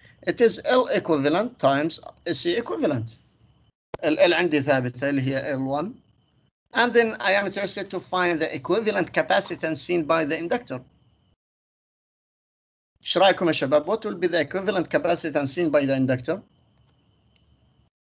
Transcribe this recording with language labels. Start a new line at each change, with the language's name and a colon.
English: It is L equivalent times C equivalent.
Arabic: L عندي ثابتة اللي هي L1.
English: And then I am interested to find the equivalent capacitance seen by the inductor.
Arabic: ايش رايكم يا شباب,
English: what will be the equivalent capacitance seen by the inductor? C1 series
Arabic: مع
English: C2 parallel مع C2.